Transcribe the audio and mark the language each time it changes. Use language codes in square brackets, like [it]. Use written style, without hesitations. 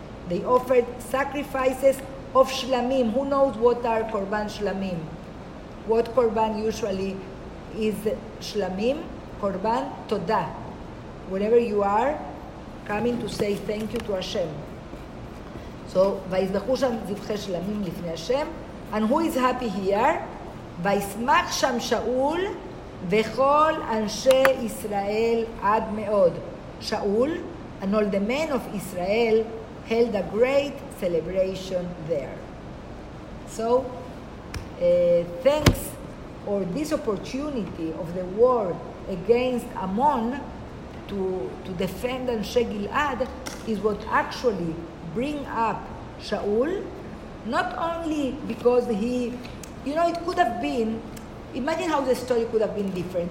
[en] They offered sacrifices of shlamim. Who knows what are korban shlamim? What korban usually is shlamim? Korban todah. Wherever you are, coming to say thank you to Hashem. So, [he] ויזבחו שם זבחי שלמים לפני [en] Hashem. And who is happy here? [he] וישמח שם שאול וכל אנשי ישראל עד מאוד. שאול, [en] and all the men of Israel held a great celebration there. So, thanks for this opportunity of the war against Ammon to defend Anshe Gilad is what actually bring up Shaul, not only because he, you know, it could have been, imagine how the story could have been different.